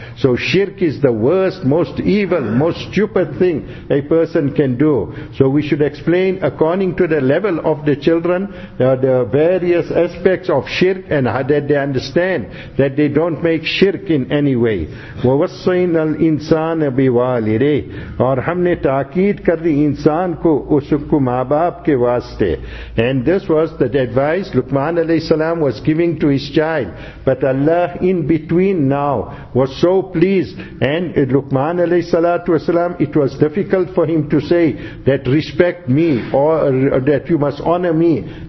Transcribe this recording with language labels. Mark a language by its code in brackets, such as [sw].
[en] So shirk is the worst, most evil, most stupid thing a person can do. So we should explain according to the level of the children, the various aspects of shirk, and how that they understand that they don't make shirk in any way. [ar] وَوَصَّيْنَا الْإِنسَانَ بِوَالِدَيْهِ [ur] اور ہم نے تاکید کر دی انسان کو اس کو ماں باپ کے واسطے. [en] And this was the advice Luqman alayhi salam was giving to his child. But Allah in between now was so pleased. And Luqman alayhi salatu wasalam, it was difficult for him to say that respect me, or that you must honor me.